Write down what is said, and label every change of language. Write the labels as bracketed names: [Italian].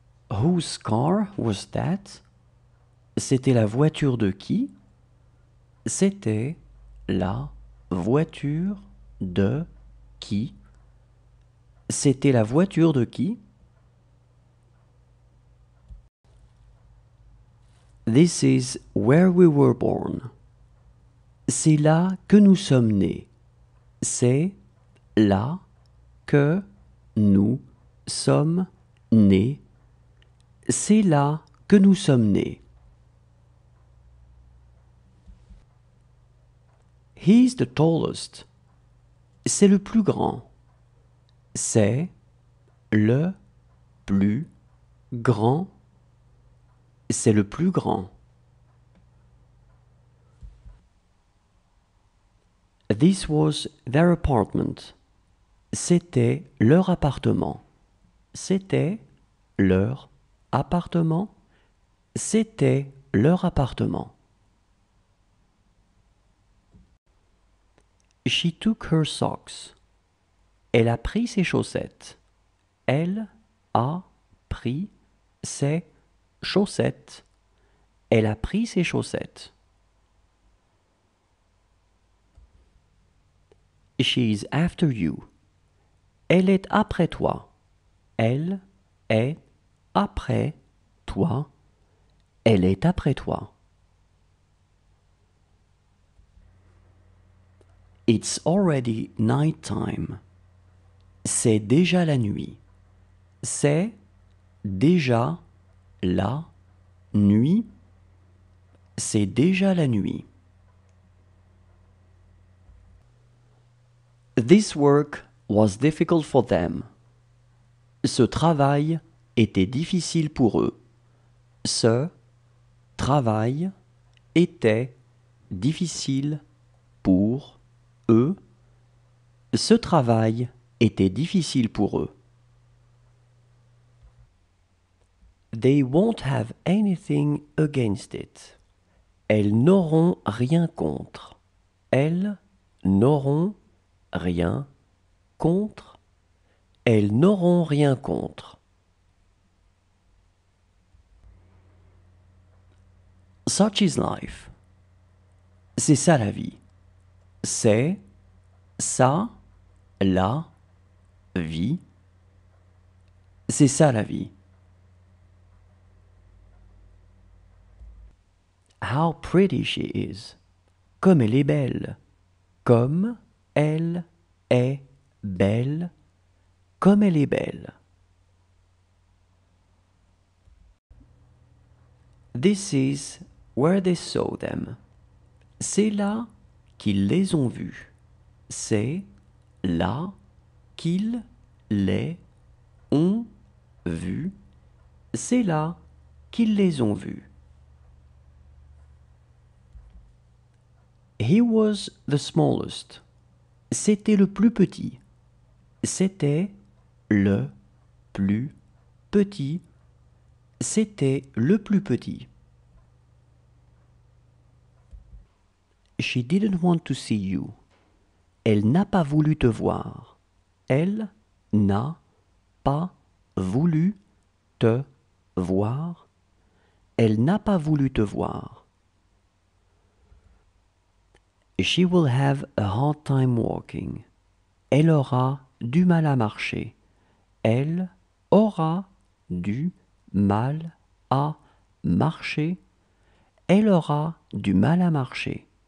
[English] Whose car was that? [French] C'était la voiture de qui? C'était la voiture de qui? C'était la voiture de qui? [English] This is where we were born. [French] C'est là que nous sommes nés. C'est là que nous sommes nés. C'est là que nous sommes nés. [English] He's the tallest. [French] C'est le plus grand. C'est le plus grand. C'est le plus grand. [English] This was their apartment. [French] C'était leur appartement. C'était leur appartement. C'était leur appartement. [English] She took her socks. [French] Elle a pris ses chaussettes. Elle a pris ses chaussettes. Elle a pris ses chaussettes. [English] She's after you. [French] Elle est après toi. Elle est après toi. Elle est après toi. [English] It's already night time. [French] C'est déjà la nuit. C'est déjà la nuit. C'est déjà la nuit. [English] This work was difficult for them. [French] Ce travail était difficile pour eux. Ce travail était difficile pour eux. Ce travail était difficile pour eux. [English] They won't have anything against it. [French] Elles n'auront rien contre. Elles n'auront rien contre. Elles n'auront rien contre. [English] Such is life. [French] C'est ça la vie. C'est ça la vie. C'est ça la vie. [English] How pretty she is. [French] Comme elle est belle. Comme elle est belle. Comme elle est belle. [English] This is where they saw them. [French] C'est là qu'ils les ont vus. C'est là qu'ils les ont vus. C'est là qu'ils les ont vus. [English] He was the smallest. [French] C'était le plus petit. C'était le plus petit. C'était le plus petit. [English] She didn't want to see you. [French] Elle n'a pas voulu te voir. Elle n'a pas voulu te voir. Elle n'a pas voulu te voir. [English] She will have a hard time walking. [French] Elle aura du mal à marcher. Elle aura du mal à marcher. Elle aura du mal à marcher.